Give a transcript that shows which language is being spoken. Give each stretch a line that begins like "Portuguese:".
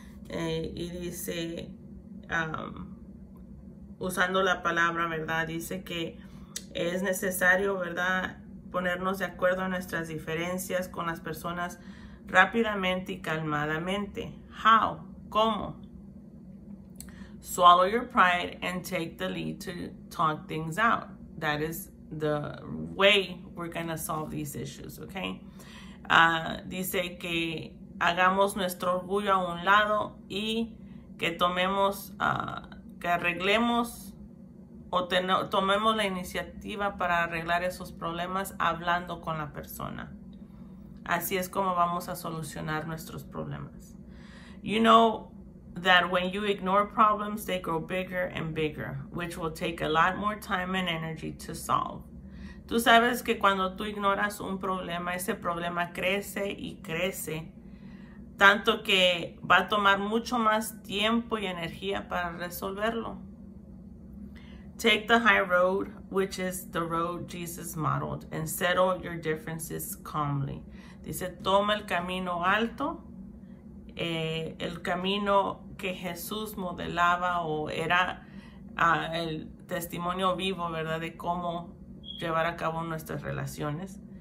Spanish: Y dice, usando la palabra, ¿verdad? Dice que es necesario, ¿verdad?, ponernos de acuerdo en nuestras diferencias con las personas rápidamente y calmadamente.
English: How?
Spanish: ¿Cómo?
English: Swallow your pride and take the lead to talk things out. That is the way we're going to solve these issues, okay?
Spanish: Dice que hagamos nuestro orgullo a un lado y que tomemos, que arreglemos o tomemos la iniciativa para arreglar esos problemas hablando con la persona. Así es como vamos a solucionar nuestros problemas.
English: You know that when you ignore problems, they grow bigger and bigger, which will take a lot more time and energy to solve.
Spanish: Tú sabes que cuando tú ignoras un problema, ese problema crece y crece, tanto que va a tomar mucho más tiempo y energía para resolverlo.
English: Take the high road, which is the road Jesus modeled, and settle your differences calmly.
Spanish: Dice, toma el camino alto, el camino que Jesús modelaba o era el testimonio vivo, ¿verdad?, de cómo llevar a cabo nuestras relaciones.